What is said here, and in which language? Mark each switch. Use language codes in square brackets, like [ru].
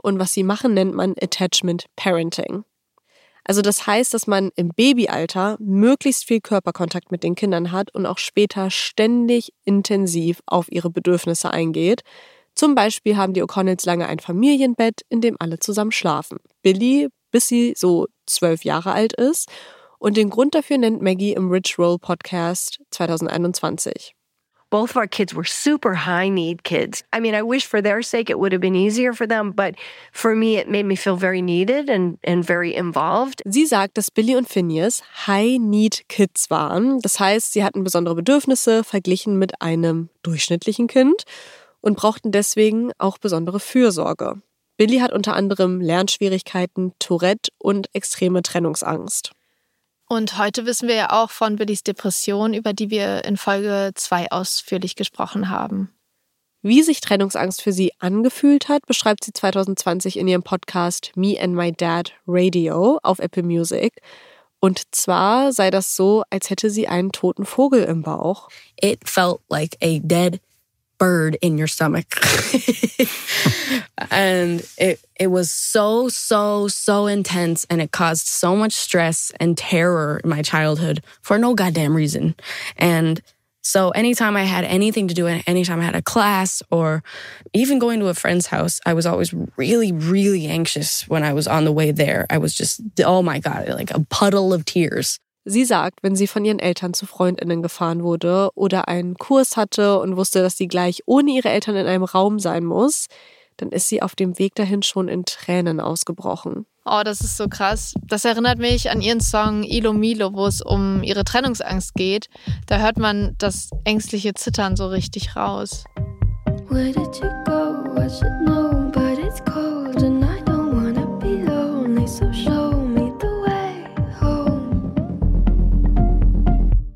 [de] Und was sie machen, nennt man Attachment Parenting. Also das heißt, dass man im Babyalter möglichst viel Körperkontakt mit den Kindern hat und auch später ständig intensiv auf ihre Bedürfnisse eingeht. Zum Beispiel haben die O'Connells lange ein Familienbett, in dem alle zusammen schlafen. Billy, bis sie so 12 Jahre alt ist. Und den Grund dafür nennt Maggie im Rich Roll Podcast 2021. [en] Both of our kids were super high need kids. I mean, I wish for their sake it would have been easier for them, but for me it made me feel very needed and very involved. [de] Sie sagt, dass Billy und Phineas high need kids waren. Das heißt, sie hatten besondere Bedürfnisse verglichen mit einem durchschnittlichen Kind und brauchten deswegen auch besondere Fürsorge. Billy hat unter anderem Lernschwierigkeiten, Tourette und extreme Trennungsangst. Und heute wissen wir ja auch von Billys Depression, über die wir in Folge 2 ausführlich gesprochen haben. Wie sich Trennungsangst für sie angefühlt hat, beschreibt sie 2020 in ihrem Podcast Me and My Dad Radio auf Apple Music. Und zwar sei das so, als hätte sie einen toten Vogel im Bauch. [en] It felt like a dead bird in your stomach. And it was so, so, so intense and it caused so much stress and terror in my childhood for no goddamn reason. And so anytime I had anything to do, anytime I had a class or even going to a friend's house, I was always really, really anxious when I was on the way there. I was just, oh my God, like a puddle of tears. [de] Sie sagt, wenn sie von ihren Eltern zu FreundInnen gefahren wurde oder einen Kurs hatte und wusste, dass sie gleich ohne ihre Eltern in einem Raum sein muss, dann ist sie auf dem Weg dahin schon in Tränen ausgebrochen. Oh, das ist so krass. Das erinnert mich an ihren Song Ilo Milo, wo es um ihre Trennungsangst geht. Da hört man das ängstliche Zittern so richtig raus. [en] Where did you go? I should know, but it's cold and I don't wanna be lonely, so show me the way home.